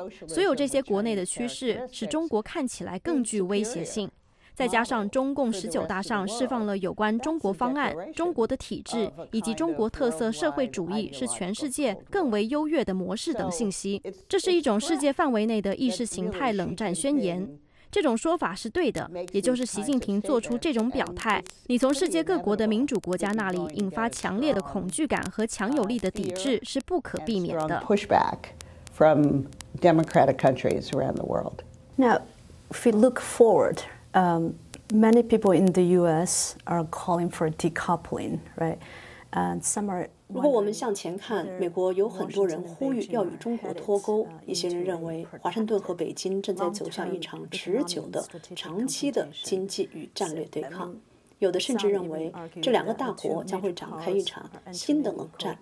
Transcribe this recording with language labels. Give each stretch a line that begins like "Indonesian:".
Chinese: 所有这些国内的趋势使中国看起来更具威胁性，再加上中共19大上释放了有关中国方案、中国的体制以及中国特色社会主义是全世界更为优越的模式等信息，这是一种世界范围内的意识形态冷战宣言。这种说法是对的，也就是习近平做出这种表态，你从世界各国的民主国家那里引发强烈的恐惧感和强有力的抵制是不可避免的。
English: Pushback from democratic countries around the world. Now, if we look forward, many people in the U.S. are calling for decoupling, right? And some are.
Chinese: 如果我们向前看，美国有很多人呼吁要与中国脱钩，一些人认为华盛顿和北京正在走向一场持久的、长期的经济与战略对抗，有的甚至认为这两个大国将会展开一场新的冷战。